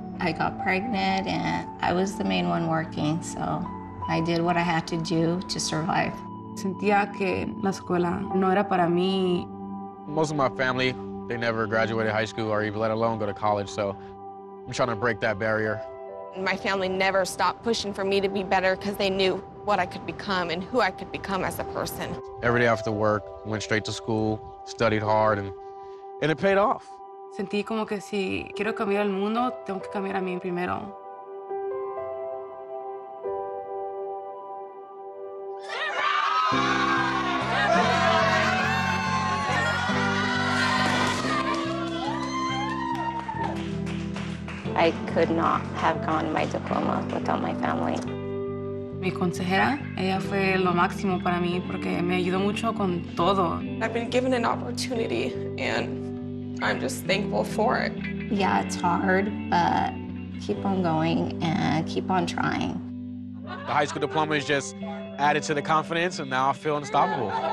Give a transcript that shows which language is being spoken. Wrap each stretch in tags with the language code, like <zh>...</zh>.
<en>I got pregnant, and I was the main one working, so I did what I had to do to survive.</en> <es>Sentía que la escuela no era para mí.</es> <en>Most of my family, they never graduated high school or even let alone go to college, so I'm trying to break that barrier. My family never stopped pushing for me to be better because they knew what I could become and who I could become as a person. Every day after work, went straight to school, studied hard, and it paid off.</en> <es>Sentí como que si quiero cambiar el mundo, tengo que cambiar a mí primero.</es> <en>I could not have gotten my diploma without my family.</en> <es>Mi consejera, ella fue lo máximo para mí porque me ayudó mucho con todo.</es> <en>I've been given an opportunity and I'm just thankful for it. Yeah, it's hard, but keep on going and keep on trying. The high school diploma has just added to the confidence and now I feel unstoppable.</en>